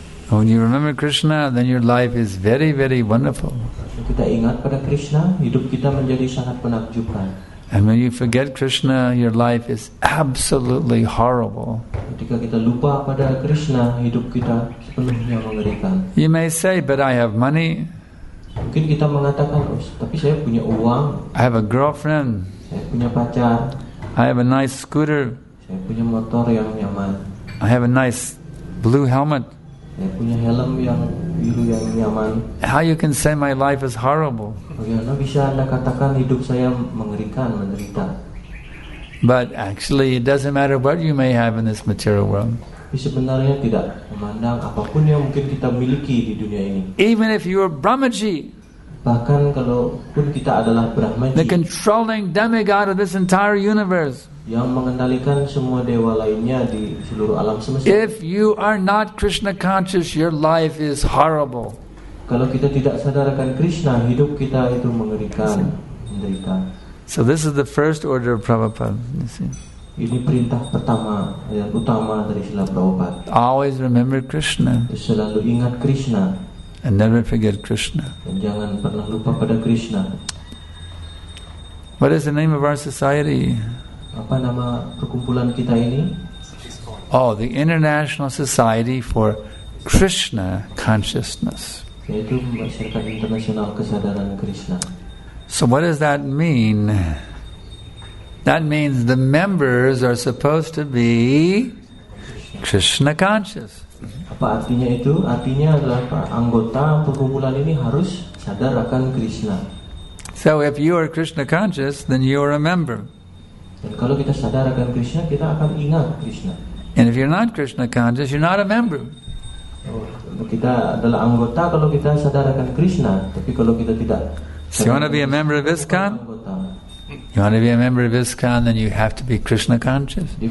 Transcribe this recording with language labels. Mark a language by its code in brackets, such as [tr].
[en] When you remember Krishna, then your life is very, very wonderful. [id] Kita ingat pada Krishna, hidup kita menjadi sangat menakjubkan. [en] And when you forget Krishna, your life is absolutely horrible. [id] Ketika kita lupa pada Krishna, hidup kita sepenuhnya mengerikan. [en] You may say, but I have money. [id] Mungkin kita mengatakan, oh, tapi saya punya uang. [en] I have a girlfriend. [id] Saya punya pacar. [en] I have a nice scooter. [id] Saya punya motor yang nyaman. [en] I have a nice blue helmet. [id] Saya punya helm yang biru yang nyaman. [en] How you can say my life is horrible? [id] Bagaimana bisa Anda katakan hidup saya mengerikan, menderita? [en] But actually, it doesn't matter what you may have in this material world. [id] Sebenarnya tidak memandang apapun yang mungkin kita miliki di dunia ini. [en] Even if you are Brahmaji, [id] bahkan kalau pun kita adalah Brahmaji, [en] the controlling demigod of this entire universe, [id] yang mengendalikan semua dewa lainnya di seluruh alam semesta, [en] if you are not Krishna conscious, your life is horrible. [id] Kalau kita tidak sadarkan Krishna, hidup kita itu mengerikan, menderita. [en] So this is the first order of Prabhupada. [id] Ini perintah pertama yang utama dari Srila Prabhupada. [en] Always remember Krishna. [id] Selalu ingat Krishna. [en] And never forget Krishna. [id] Dan jangan pernah lupa pada Krishna. [en] What is the name of our society? [id] Apa nama perkumpulan kita ini? [en] Oh, the International Society for Krishna Consciousness. [id] Yaitu Masyarakat Internasional Kesadaran Krishna. [en] So what does that mean? That means the members are supposed to be Krishna conscious. [id] Apa artinya itu? Artinya adalah para anggota perkumpulan ini harus sadar akan Krishna. [en] So if you are Krishna conscious, then you are a member. [id] Dan kalau kita sadar akan Krishna, kita akan ingat Krishna. [en] And if you're not Krishna conscious, you're not a member. [id] Oh, kita adalah anggota kalau kita sadar akan Krishna, tapi kalau kita tidak [en] So you want to be a member of ISKCON? You want to be a member of ISKCON, then you have to be Krishna conscious.